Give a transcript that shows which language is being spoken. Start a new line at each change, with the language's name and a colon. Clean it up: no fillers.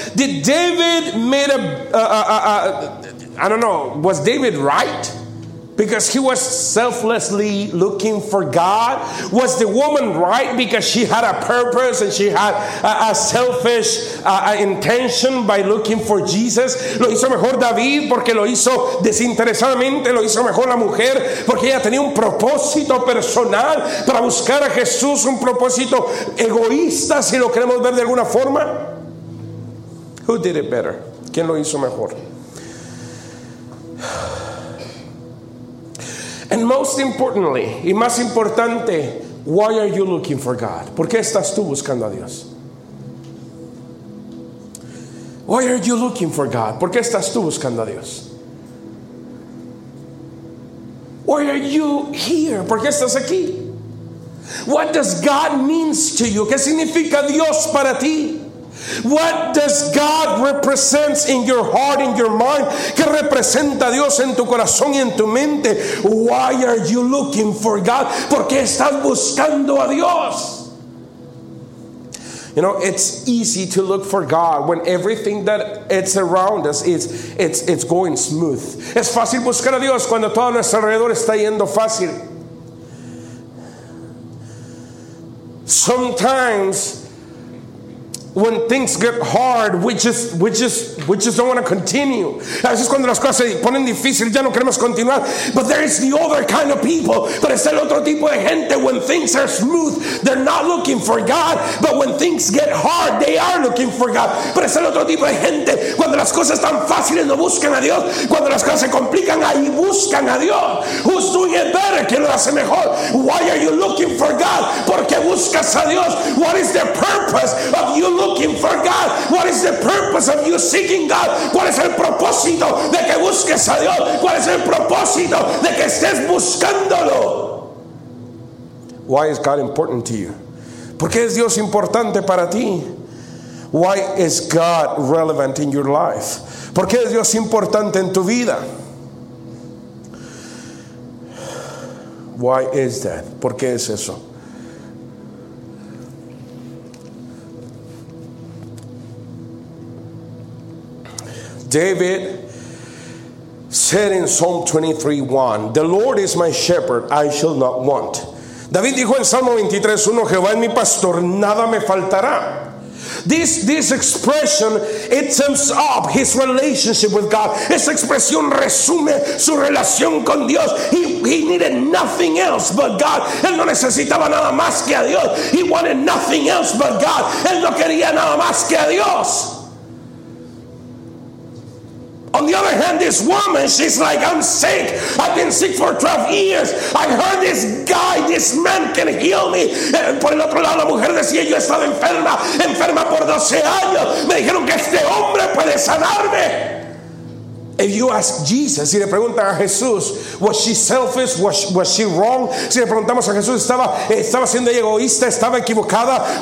English: Did David made a. I don't know. Was David right? Because he was selflessly looking for God. Was the woman right? Because she had a purpose and she had a selfish intention by looking for Jesus.
Spanish: Lo hizo mejor David porque lo hizo desinteresadamente. Lo hizo mejor la mujer porque ella tenía un propósito personal para buscar a Jesús. Un propósito egoísta, si lo queremos ver de alguna forma.
English: Who did it better?
Spanish: ¿Quién lo hizo mejor?
English: And most importantly,
Spanish: y más importante,
English: why are you looking for God?
Spanish: ¿Por qué estás tú buscando a Dios?
English: Why are you looking for God?
Spanish: ¿Por qué estás tú buscando a Dios?
English: Why are you here?
Spanish: ¿Por qué estás aquí?
English: What does God mean to you?
Spanish: ¿Qué significa Dios para ti?
English: What does God represent in your heart, in your mind?
Spanish: ¿Qué representa Dios en tu corazón y en tu mente?
English: Why are you looking for God?
Spanish: ¿Por qué estás buscando a Dios?
English: You know, it's easy to look for God when everything that it's around us is going smooth.
Spanish: Es fácil buscar a Dios cuando todo a nuestro alrededor está yendo fácil.
English: Sometimes when things get hard, we just don't want to continue.
Spanish: A veces cuando las cosas se ponen difíciles, ya no queremos continuar.
English: But there is the other kind of people.
Spanish: Pero es el otro tipo de gente.
English: When things are smooth, they're not looking for God. But when things get hard, they are looking for God.
Spanish: Pero es el otro tipo de gente. Cuando las cosas están fáciles, no buscan a Dios. Cuando las cosas se complican, ahí buscan a Dios.
English: Who's doing it better?
Spanish: ¿Quién lo hace mejor?
English: Why are you looking for God?
Spanish: ¿Por qué buscas a Dios?
English: What is the purpose of you looking for God? What is the purpose of you seeking God?
Spanish: ¿Cuál es el propósito de que busques a Dios? ¿Cuál es el propósito de que estés buscándolo?
English: Why is God important to you?
Spanish: ¿Por qué es Dios importante para ti?
English: Why is God relevant in your life?
Spanish: ¿Por qué es Dios importante en tu vida?
English: Why is that?
Spanish: ¿Por qué es eso?
English: David said in Psalm 23:1, "The Lord is my shepherd, I shall not want."
Spanish: David dijo en Salmo 23:1, "Jehová es mi pastor, nada me faltará."
English: This expression, it sums up his relationship with God.
Spanish: Esa expresión resume su relación con Dios.
English: He needed nothing else but God.
Spanish: Él no necesitaba nada más que a Dios.
English: He wanted nothing else but God.
Spanish: Él no quería nada más que a Dios.
English: On the other hand, this woman, she's like, "I'm sick. I've been sick for 12 years. I heard this guy, this man can heal me."
Spanish: Por el otro lado, la mujer decía, "Yo he estado enferma por 12 años. Me dijeron que este hombre puede sanarme."
English: If you ask Jesus,
Spanish: si le preguntan a Jesús,
English: was she selfish? Was she wrong?
Spanish: Si le preguntamos a Jesús, estaba siendo egoísta, estaba equivocada.